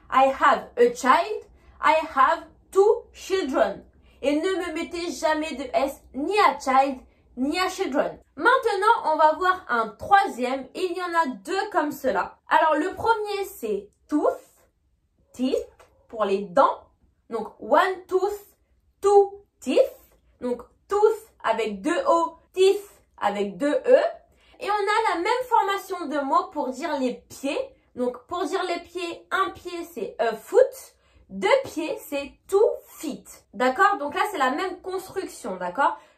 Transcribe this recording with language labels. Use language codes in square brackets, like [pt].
[en] I have a child, I have two children. [fr] Et ne me mettez jamais de S ni à child, ni à children. Maintenant, on va voir un troisième. Il y en a deux comme cela. Alors, le premier, c'est [en] tooth, teeth, [fr] pour les dents. [en] Donc, one tooth, two teeth. [fr] Donc, tooth avec deux O, teeth avec deux E. Et on a la même formation de mots pour dire les pieds. Donc, pour dire les pieds, un pied, c'est [en] a foot. [fr] Deux pieds, c'est [en] two feet. [fr] D'accord? Donc là, c'est la même construction, d'accord?